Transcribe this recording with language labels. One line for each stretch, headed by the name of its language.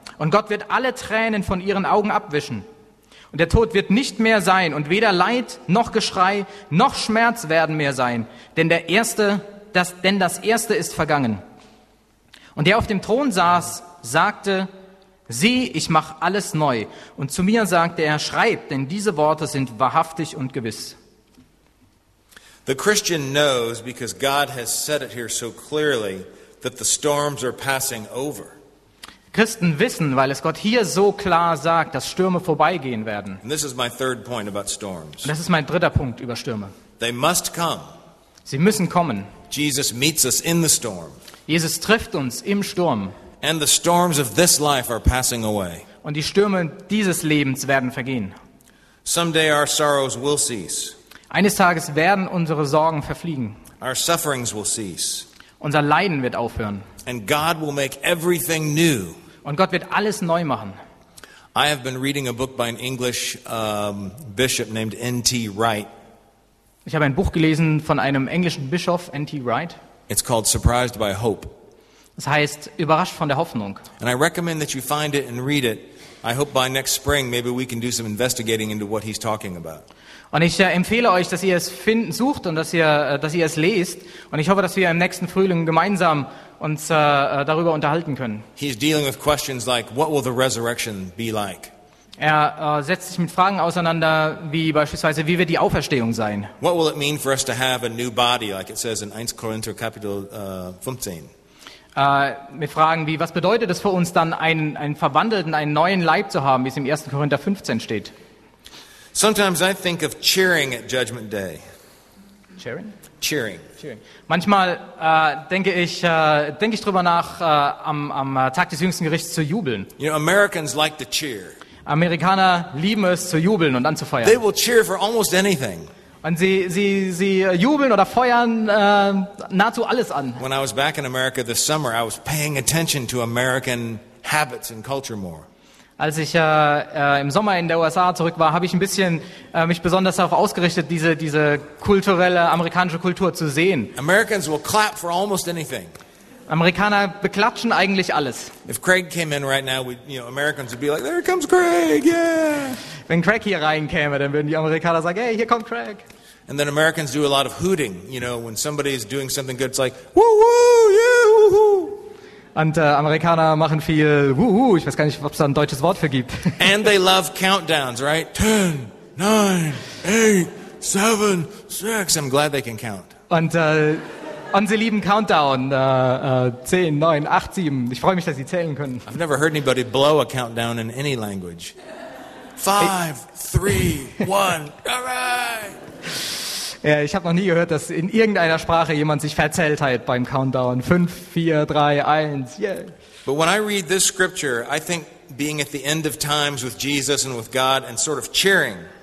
German: Und Gott wird alle Tränen von ihren Augen abwischen. Und der Tod wird nicht mehr sein, und weder Leid noch Geschrei noch Schmerz werden mehr sein, denn das Erste ist vergangen. Und der auf dem Thron saß, sagte, sieh, ich mache alles neu. Und zu mir sagte er, schreib, denn diese Worte sind wahrhaftig und gewiss.
English: The Christian knows, because God has said it here so clearly, that the storms are passing over.
German: Christen wissen, weil es Gott hier so klar sagt, dass Stürme vorbeigehen werden.
English: And this is my third point about storms.
German: Das ist mein dritter Punkt über Stürme.
English: They must come.
German: Sie müssen kommen.
English: Jesus meets us in the storm.
German: Jesus trifft uns im Sturm.
English: And the storms of this life are passing away.
German: Und die Stürme dieses Lebens werden vergehen.
English: Someday our sorrows will cease.
German: Eines Tages werden unsere Sorgen verfliegen.
English: Our sufferings will cease.
German: Unser Leiden wird aufhören.
English: And God will make everything new.
German: Und Gott wird alles neu machen.
English: I have been reading a book by an English bishop named N.T. Wright.
German: Ich habe ein Buch gelesen von einem englischen Bischof, N.T. Wright.
English: It's called Surprised by Hope.
German: Das heißt Überrascht von der Hoffnung.
English: And I recommend that you find it and read it. I hope by next spring maybe we can do some investigating into what he's talking about.
German: Und ich empfehle euch, dass ihr es finden sucht und dass ihr es lest, und ich hoffe, dass wir im nächsten Frühling gemeinsam uns darüber unterhalten können.
English: He's dealing with questions like what will the resurrection be like?
German: Er setzt sich mit Fragen auseinander, wie beispielsweise, wie wird die Auferstehung sein?
English: What will it mean for us to have a new body, like it says in 1 Corinthians chapter 15?
German: Wir fragen, wie, was bedeutet es für uns dann, einen verwandelten, einen neuen Leib zu haben, wie es im 1. Korinther 15 steht?
English: Sometimes I think of cheering at Judgment Day. Cheering? Cheering.
German: Manchmal denke ich drüber nach, am Tag des jüngsten Gerichts zu jubeln.
English: You know, Americans like to cheer.
German: Amerikaner lieben es, zu jubeln und anzufeiern.
English: They will cheer for almost anything.
German: Und sie jubeln oder feuern nahezu alles an.
English: When I was back in America this summer, I was paying attention to American habits and culture more.
German: Als ich im Sommer in der USA zurück war, habe ich ein bisschen mich besonders darauf ausgerichtet, diese kulturelle amerikanische Kultur zu sehen.
English: Americans will clap for almost anything.
German: Amerikaner beklatschen eigentlich alles.
English: If Craig came in right now, Americans would be like, "There comes Craig, yeah."
German: Wenn Craig hier reinkäme, dann würden die Amerikaner sagen, "Hey, hier kommt Craig."
English: And then Americans do a lot of hooting. You know, when somebody is doing something good, it's like, "Woo woo, yeah, woo hoo."
German: Und Amerikaner machen viel "woo woo." Ich weiß gar nicht, ob es da ein deutsches Wort für gibt.
English: And they love countdowns, right? 10, 9, 8, 7, 6. I'm glad they can count.
German: Und sie lieben Countdown, 10, 9, 8, 7. Ich freue mich, dass sie zählen können.
English: I've never heard anybody blow a countdown in any language. 5, 3, 1, all right!
German: Ja, ich habe noch nie gehört, dass in irgendeiner Sprache jemand sich verzählt hat beim Countdown.
English: 5, 4, 3, 1, yeah. But when I read this scripture, I think being at the end of times with Jesus and with God and sort of cheering.